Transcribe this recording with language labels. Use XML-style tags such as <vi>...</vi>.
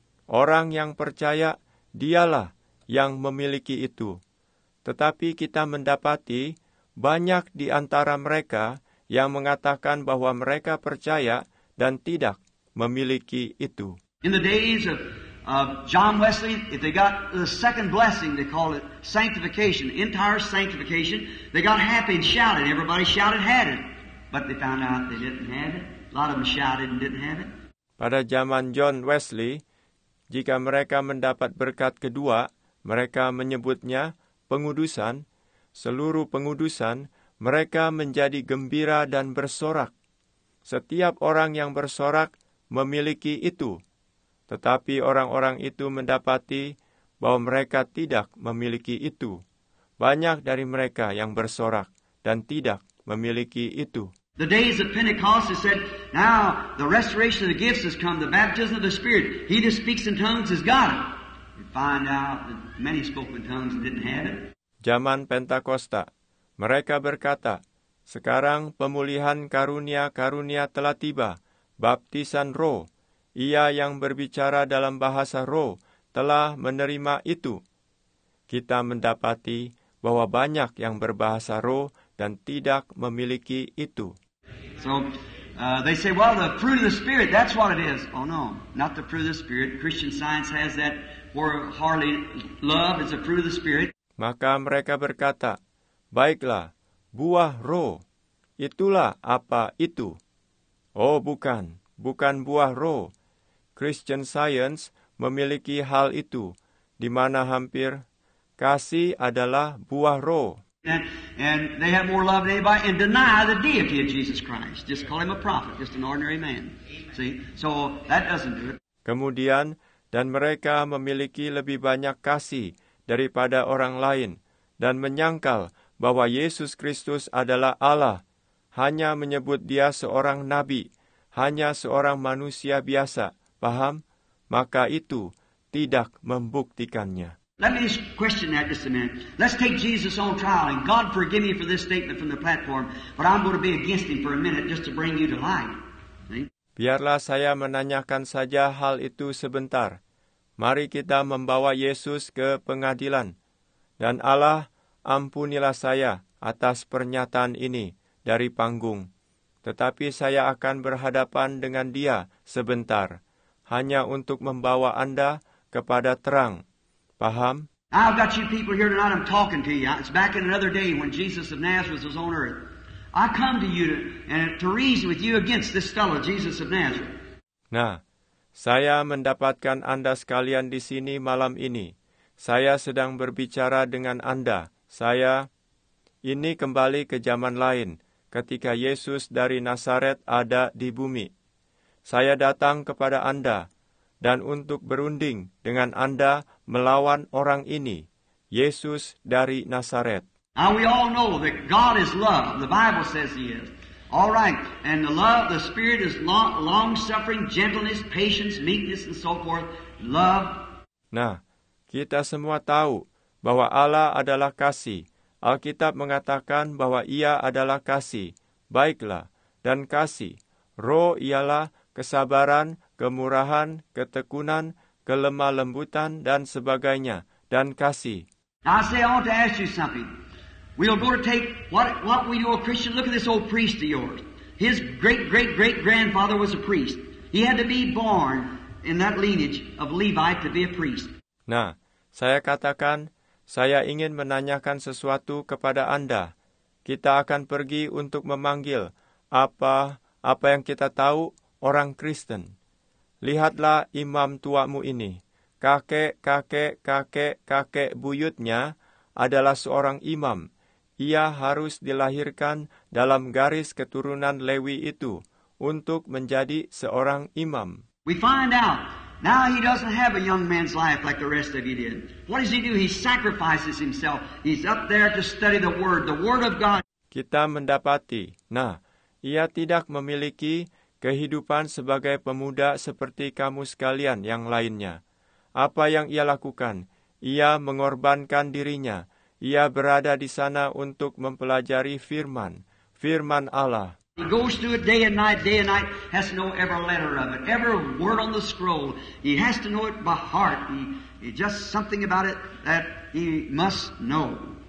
<id>Orang yang percaya, dialah yang memiliki itu. Tetapi kita mendapati banyak di antara mereka yang mengatakan bahwa mereka percaya dan tidak memiliki itu.</id> <en>In the days of John Wesley, if they got the second blessing, they call it sanctification, entire sanctification, they got happy and shouted. Everybody shouted, had it. But they found out they didn't have it. A lot of them shouted and didn't have it.</en> <id>Pada zaman John Wesley, jika mereka mendapat berkat kedua, mereka menyebutnya pengudusan, seluruh pengudusan, mereka menjadi gembira dan bersorak. Setiap orang yang bersorak memiliki itu. Tetapi orang-orang itu mendapati bahwa mereka tidak memiliki itu. Banyak dari mereka yang bersorak dan tidak memiliki itu.</id> <en>The days of Pentecost, it said, now the restoration of the gifts has come, the baptism of the Spirit. He that speaks in tongues has got it. We find out that many spoke in tongues and didn't have it.</en> <id>zaman Pentakosta, mereka berkata, "Sekarang pemulihan karunia-karunia telah tiba, baptisan roh, ia yang berbicara dalam bahasa roh telah menerima itu." Kita mendapati bahwa banyak yang berbahasa roh dan tidak memiliki itu.</id> <en>So, they say, well, the fruit of the Spirit, that's what it is. Oh no, not the fruit of the Spirit. Christian Science has that, or hardly love is the fruit of the Spirit.</en> <id>Maka mereka berkata, baiklah, buah roh, itulah apa itu. Oh bukan, bukan buah roh. Christian Science memiliki hal itu, di mana hampir kasih adalah buah roh.</id> <en>And they have more love than anybody, and deny the deity of Jesus Christ. Just call him a prophet, just an ordinary man. See, so that doesn't do it.</en> <id>Kemudian, dan mereka memiliki lebih banyak kasih daripada orang lain, dan menyangkal bahwa Yesus Kristus adalah Allah, hanya menyebut dia seorang nabi, hanya seorang manusia biasa, paham? Maka itu tidak membuktikannya.</id> <en>Let me just question that just a minute. Let's take Jesus on trial, and God forgive me for this statement from the platform, but I'm going to be against him for a minute just to bring you to life.</en> <id>Biarlah saya menanyakan saja hal itu sebentar. Mari kita membawa Yesus ke pengadilan. Dan Allah, ampunilah saya atas pernyataan ini dari panggung. Tetapi saya akan berhadapan dengan dia sebentar, hanya untuk membawa Anda kepada terang. Paham?</id> <en>I've got you people here tonight, I'm talking to you. It's back in another day when Jesus of Nazareth was on earth. I come to you to reason with you against this fellow, Jesus of Nazareth.</en> <id>Nah, saya mendapatkan Anda sekalian di sini malam ini. Saya sedang berbicara dengan Anda. Saya, ini kembali ke zaman lain, ketika Yesus dari Nazaret ada di bumi. Saya datang kepada Anda, dan untuk berunding dengan Anda melawan orang ini, Yesus dari Nazaret.</id> <en>Now we all know that God is love. The Bible says he is. All right. And the love, the Spirit is long-suffering, gentleness, patience, meekness, and so forth. Love.</en> <id>Nah, kita semua tahu bahwa Allah adalah kasih. Alkitab mengatakan bahwa ia adalah kasih. Baiklah. Dan kasih. Roh ialah kesabaran, kemurahan, ketekunan, kelemah lembutan, dan sebagainya. Dan kasih.</id> <en>Now I say I want to ask you something. We'll go to take what we do a Christian. Look at this old priest of yours. His great-great-great-grandfather was a priest. He had to be born in that lineage of Levi to be a priest.</en> <id>Nah, saya katakan, saya ingin menanyakan sesuatu kepada Anda. Kita akan pergi untuk memanggil apa yang kita tahu orang Kristen. Lihatlah imam tuamu ini. Kakek buyutnya adalah seorang imam. Ia harus dilahirkan dalam garis keturunan Lewi itu untuk menjadi seorang imam.</id> <en>We find out now he doesn't have a young man's life like the rest of you did. What does he do? He sacrifices himself. He's up there to study the word of God.</en> <id>Kita mendapati, nah, ia tidak memiliki kehidupan sebagai pemuda seperti kamu sekalian yang lainnya. Apa yang ia lakukan? Ia mengorbankan dirinya. Ia berada di sana untuk mempelajari firman, firman Allah.</id> <en>He goes through it day and night, has to know every letter of it, every word on the scroll. He has to know it by heart. He just something about it that he must know.</en>